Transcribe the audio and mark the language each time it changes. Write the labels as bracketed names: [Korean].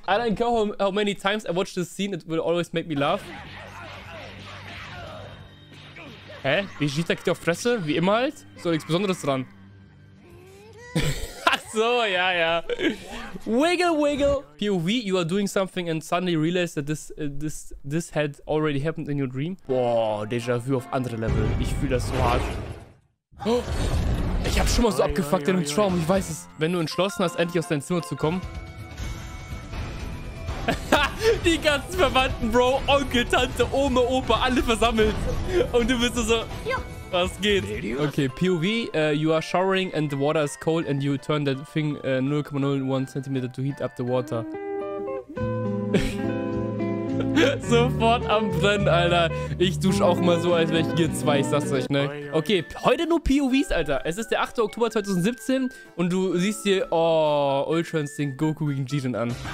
[English] I don't care how many times I watch this scene, it will always make me laugh. Hä? [German] Vegeta kriegt auf Fresse? Wie immer halt? So, nichts Besonderes dran. Ach so, ja, ja. Wiggle, wiggle. [English] POV, you are doing something and suddenly realize that this had already happened in your dream. [German] Boah, Déjà-vu auf andere Level. Ich fühle das so hart. Ich hab schon mal so abgefuckt in einem Traum, ich weiß es. Wenn du entschlossen hast, endlich aus deinem Zimmer zu kommen. Die ganzen Verwandten, Bro, Onkel, Tante, Oma, Opa, alle versammelt. Und du bist so, was geht? [English] Okay, POV, you are showering and the water is cold and you turn that thing 0,01 cm to heat up the water. [German] Sofort am Brennen, Alter. Ich dusche auch mal so, als wäre ich G2, ich sag's euch, ne? Okay, heute nur POVs, Alter. Es ist der 8. Oktober 2017 und du siehst hier, oh, Ultra Instinct Goku gegen Jiren an.